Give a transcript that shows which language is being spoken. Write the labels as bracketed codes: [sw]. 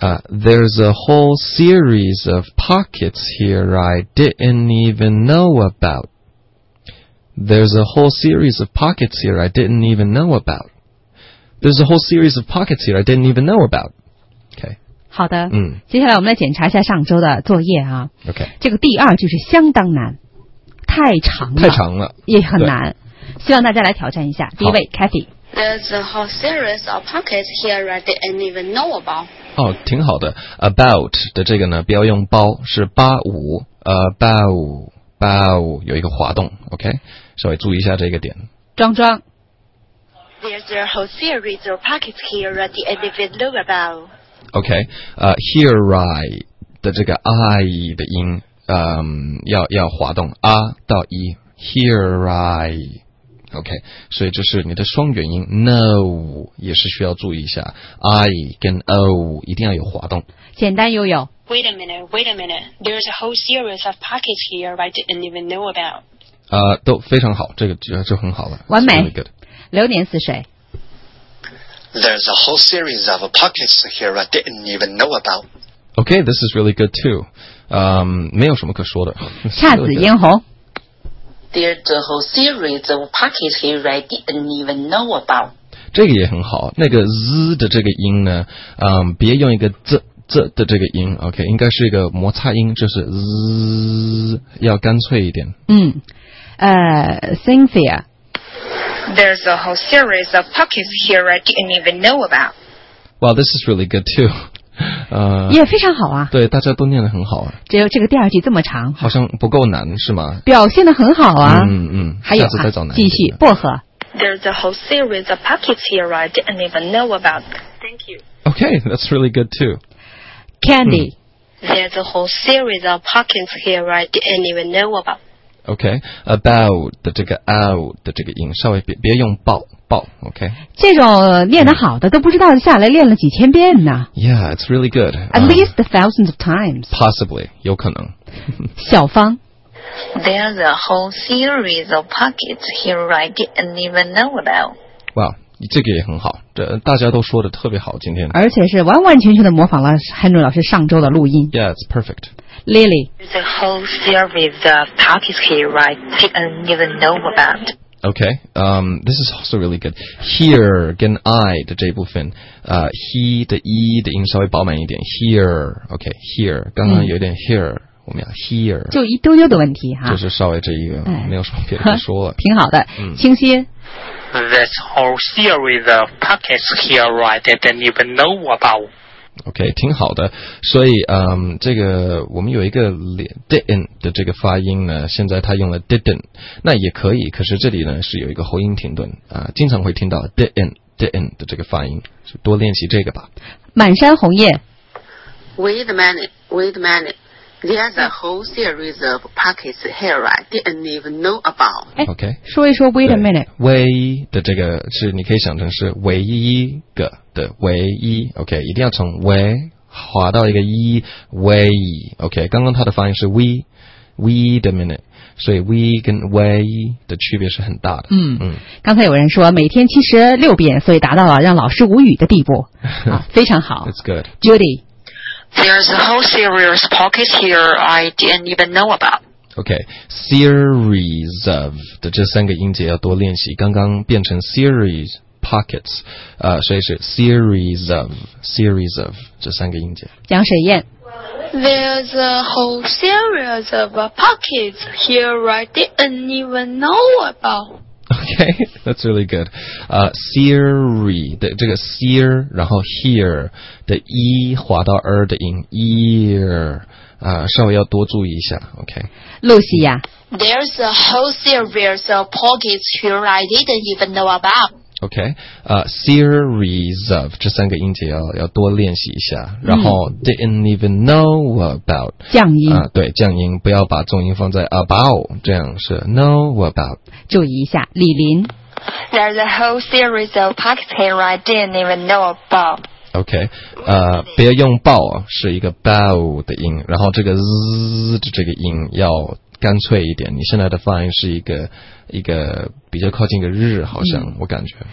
[en] There's a whole series of pockets here I didn't even know about. There's a whole series of pockets here I didn't even know about. There's a whole series of pockets here I didn't even know about. Okay. [zh] 好的。嗯。接下来我们来检查一下上周的作业啊。 [en] Okay. [zh] 这个第二就是相当难，太长了。太长了。也很难。希望大家来挑战一下。第一位 ，Kathy。 [en] There's a whole series of pockets here I didn't even know about. [zh] 哦，挺好的。About 的这个呢，不要用包，是八五 about 有一个滑动 ，OK， 稍微注意一下这个点。庄庄 [en] ，There's a whole series of pockets here that I didn't even know about. [zh] OK， here I 的这个 I 的音，要滑动 ，A 到 E， here I。 OK， 所以这是你的双元音 No 也是需要注意一下 I 跟 O 一定要有滑动简单悠悠 [en] Wait a minute, wait a minute There's a whole series of pockets here I didn't even know about [zh] 都非常好这个就很好了完美、 [en] really、good. [zh] 流年是谁 [en] There's a whole series of pockets here I didn't even know about OK, this is really good too、 [zh] 没有什么可说的姹紫嫣红 [en] There's a whole series of pockets here I didn't even know about. [zh] 这个也很好，那个 z 的这个音呢，别用一个 z 的这个音 ，OK， 应该是一个摩擦音，就是 z 要干脆一点。嗯，Cynthia. [en] There's a whole series of pockets here I didn't even know about. Well, this is really good too. [zh] 也非常好啊对大家都念得很好、啊、只有这个第二句这么长好像不够难是吗表现得很好啊嗯嗯还有、啊、下次再找难继续薄荷 [en] There's a whole series of pockets here I didn't even know about Thank you Okay, that's really good too [zh] Candy、嗯、 [en] There's a whole series of pockets here I didn't even know about [zh] Okay, about 的这个 out 的这个音稍微 别用爆 OK 这种练得好的、嗯、都不知道下来练了几千遍呢 [en] Yeah, it's really good At least thousands of times [zh] Possibly, 有可能小芳 [en] There's a whole series of pockets here I didn't even know about [zh] Wow, 这个也很好这大家都说得特别好今天而且是完完全全的模仿了 Henry 老师上周的录音 [en] Yeah, it's perfect Lily There's a whole series of pockets here I didn't even know about Okay, this is also really good. [zh] Here 跟 I 的这部分，he 的 e 的音稍微饱满一点。 Here, okay, here. 刚刚有点 here，、嗯、我们要 here。就一丢丢的问题哈。就是稍微这一个，没有什么别的可说了。挺好的，清晰。 [en] This whole series of pockets here I didn't even know about. [zh] OK, 挺好的。所以这个我们有一个 didn't 的这个发音呢现在他用了 didn't, 那也可以可是这里呢是有一个喉音停顿经常会听到 didn't 的这个发音多练习这个吧。满山红叶 [en] Wait a minute, there's a whole series of pockets here I didn't even know about. OK, [zh] 说一说 [en] wait a minute. [zh] Way 的这个是你可以想成是唯一个。的唯一 ，OK， 一定要从唯滑到一个一 ，way，OK，、okay, 刚刚它的发音是 we， [en] wait a minute， [zh] 所以 we 跟 way 的区别是很大的。嗯嗯，刚才有人说每天76遍，所以达到了让老师无语的地步，啊，非常好。 [en] It's good. Judy, there's a whole series of pockets here I didn't even know about. [zh] Okay, series of 的这三个音节要多练习，刚刚变成 series pockets， 所以是 series of 这三个音节。江水燕。 [en] There's a whole series of pockets here I didn't even know about. Okay, that's really good. [zh] Siri 的这个 sear， 然后 here 的 e 滑到 r 的音 ear。稍微要多注意一下 ，OK。露西亚 [en] ，There's a whole series of pockets here I didn't even know about. [zh] OK， series of 这三个音节要多练习一下，然后、 [en] didn't even know about [zh] 降音啊、对，降音，不要把重音放在 about， 这样是 know about。注意一下，李林 [en] ，There's a whole series of pockets here I didn't even know about. [zh] OK， 别用爆，是一个 bow 的音，然后这个 z 的这个音要干脆一点。你现在的发音是一个比较靠近一个日，好像、我感觉。